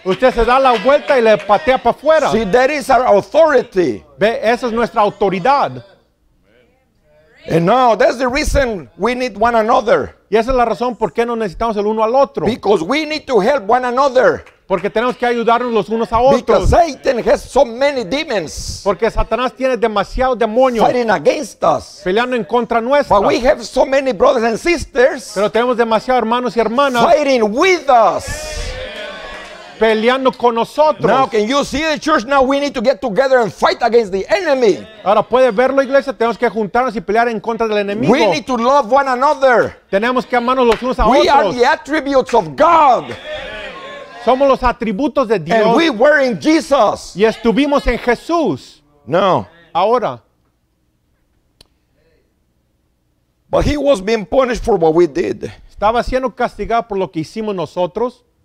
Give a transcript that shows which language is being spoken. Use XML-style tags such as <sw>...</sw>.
<es>Usted se da la vuelta y le patea para afuera.</es> <en>See, that is our authority.</en> <es>Ve, esa es nuestra autoridad.</es> <en>And now, that's the reason we need one another.</en> <es>Y esa es la razón por qué nos necesitamos el uno al otro.</es> <en>Because we need to help one another.</en> <es>Porque tenemos que ayudarnos los unos a otros.</es> <en>Because Satan has so many demons.</en> <es>Porque Satanás tiene demasiados demonios.</es> <en>Fighting against us.</en> <es>Peleando en contra nuestra.</es> <en>But we have so many brothers and sisters.</en> <es>Pero tenemos demasiados hermanos y hermanas.</es> <en>Fighting with us.</en> <es>Peleando con nosotros.</es> <en>Now can you see the church? Now we need to get together and fight against the enemy.</en> <es>Ahora puede verlo, iglesia. Tenemos que juntarnos y pelear en contra del enemigo.</es> <en>We need to love one another.</en> <es>Tenemos que amarnos los unos a otros.</es> <en>We are the attributes of God.</en> <es>Somos los atributos de Dios.</es> <en>And we were in Jesus.</en> <es>Y estuvimos en Jesús.</es> <en>No.</en> <es>Ahora.</es> <en>But he was being punished for what we did.</en> <es>Estaba siendo castigado por lo que hicimos nosotros.</es>